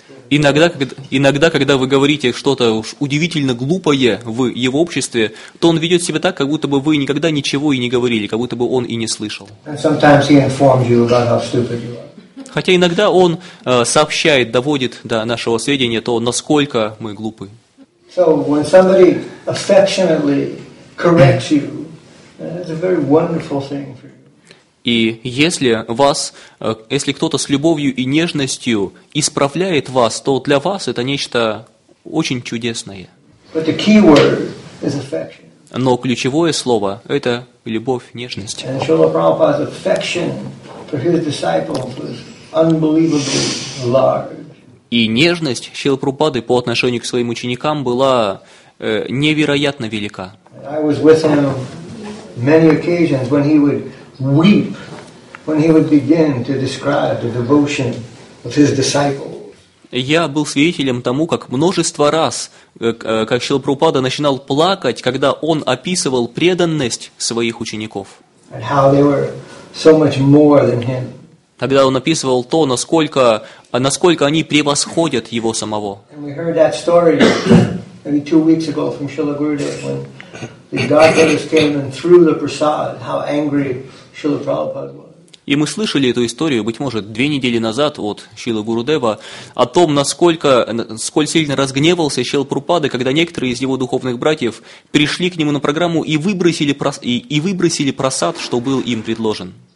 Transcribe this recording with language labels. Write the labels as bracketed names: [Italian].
[Russian] Иногда, когда вы говорите что-то уж удивительно глупое в его обществе, то он ведет себя так, как будто бы вы никогда ничего и не говорили, как будто бы он и не слышал. Хотя иногда он сообщает, доводит до нашего сведения то, насколько мы глупы. [English] So when somebody affectionately corrects you, that's a very wonderful thing for you. [Russian] И если кто-то с любовью и нежностью исправляет вас, то для вас это нечто очень чудесное. [English] But the key word is affection. [Russian] Но ключевое слово – это любовь, нежность. [English] And Srila Prabhupada's affection for his disciples was unbelievably large. [Russian] И нежность Шрилы Прабхупады по отношению к своим ученикам была невероятно велика. [English] I was with him many occasions when he would weep when he would begin to describe the devotion of his disciples. [Russian] Я был свидетелем тому, как множество раз, как Шрила Прабхупада начинал плакать, когда он описывал преданность своих учеников. [English] And how they were so much more than him. [Russian] Тогда он описывал то, насколько они превосходят его самого. [English] And we heard that story maybe 2 weeks ago from Shrila Gurudev when the Godbrothers came and threw the prasad, how angry Shrila Prabhupada was. [Russian] И мы слышали эту историю, быть может, 2 недели назад от Шрилы Гурудева о том, сколь сильно разгневался Шрила Прабхупада, когда некоторые из его духовных братьев пришли к нему на программу и выбросили прасад, что был им предложен.